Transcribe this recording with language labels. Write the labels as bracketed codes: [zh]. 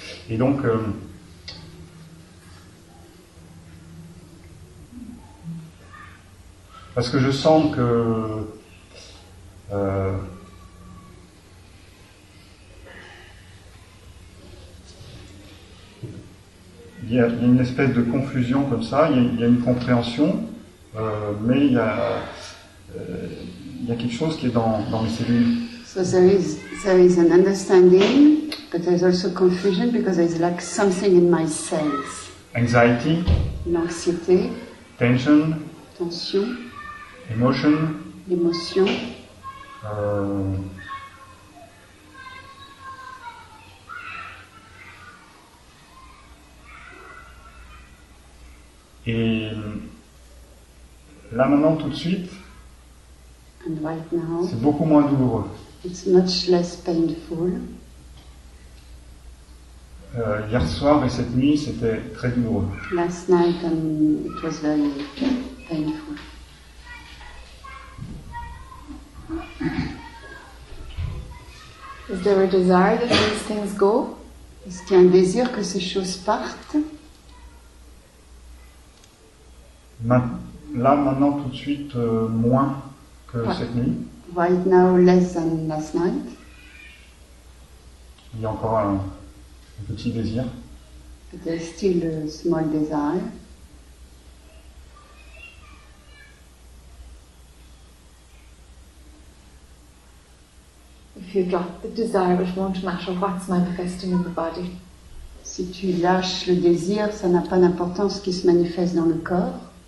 [fr] Et donc, parce que je sens que il y a une espèce de confusion comme ça, il y a une compréhension, mais il y a quelque chose qui est dans mes cellules. [en] So there is an understanding, but there's also confusion because there's like something in my cells. Anxiety. [fr] L'anxiété. [en] Tension. [fr] Tension. [en] Emotion. [fr] L'émotion. Euh, Et là maintenant, tout de suite, [en] and right now, [fr] c'est beaucoup moins douloureux. [en] It's much less painful. [fr] Hier soir et cette nuit, c'était très douloureux. [en] Last night and it was very painful. Is there a desire that these things go? [fr] Est-ce qu'il y a un désir que ces choses partent? Là, maintenant, tout de suite, moins que cette nuit. [en] Right now, less than last night. [fr] Il y a encore un petit désir. [en] But there's still a small desire. If you drop the desire, it won't matter what's manifesting in the body. [fr] Si tu lâches le désir, ça n'a pas d'importance ce qui se manifeste dans le corps.